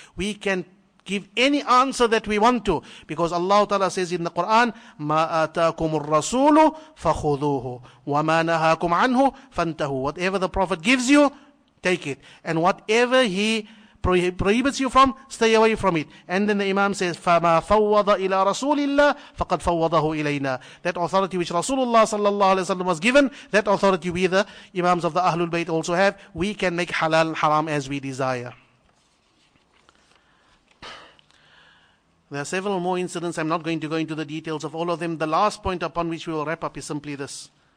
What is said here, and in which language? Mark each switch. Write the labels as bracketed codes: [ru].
[en] We can give any answer that we want to, because Allah Ta'ala says in the Quran, [ar] مَا آتَاكُمُ الرَّسُولُ فَخُذُوهُ وَمَا نَهَاكُمْ عَنْهُ فَانْتَهُ. [en] Whatever the Prophet gives you, take it. And whatever he prohibits you from, stay away from it. And then the Imam says, [ar] فَمَا فَوَّضَ إِلَىٰ رَسُولِ اللَّهِ فَقَدْ فَوَّضَهُ إِلَيْنَا. [en] That authority which Rasulullah sallallahu alayhi wa sallam was given, that authority we the Imams of the Ahlul Bayt also have. We can make halal and haram as we desire. There are several more incidents. I'm not going to go into the details of all of them. The last point upon which we will wrap up is simply this.